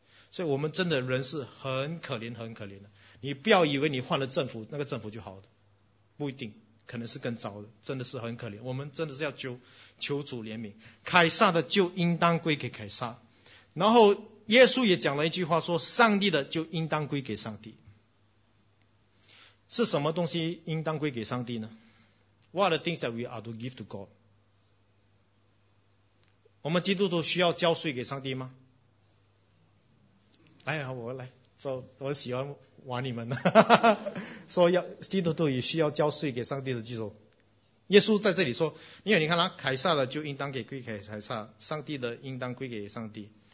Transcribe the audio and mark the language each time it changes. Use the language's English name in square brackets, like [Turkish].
[Chinese] 所以我们真的人是很可怜很可怜的。你不要以为你换了政府那个政府就好的，不一定，可能是更糟的，真的是很可怜。我们真的是要求主怜悯。凯撒的就应当归给凯撒，然后耶稣也讲了一句话说，上帝的就应当归给上帝。是什么东西应当归给上帝呢？ [English] What are the things that we are to give to God? [Chinese] 我们基督徒需要交税给上帝吗？哎呀，我来做，我喜欢玩你们说要基督徒也需要交税给上帝的举手。耶稣在这里说，因为你看凯撒的就应当归给凯撒，上帝的应当归给上帝。